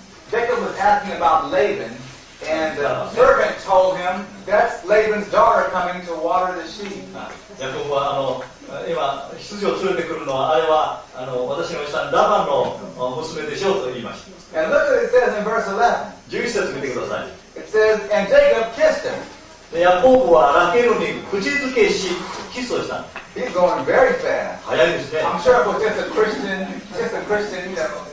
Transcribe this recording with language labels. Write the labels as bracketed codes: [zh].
[en] Jacob was asking about Laban, and the servant told him, "That's Laban's daughter coming to water the sheep." [ja] Jacob は今羊を連れてくるのはあれは私のおじさんラバンの娘でしょうと言いました。 [en] And look what it says in verse 11. [ja] 11節見てください。 [en] It says, "And Jacob kissed him." [ja] ヤコブはラケルに口づけし、キスをした。 [en] He's going very fast. [ja] 早いですね。 [en] I'm sure it was just a Christian, you know.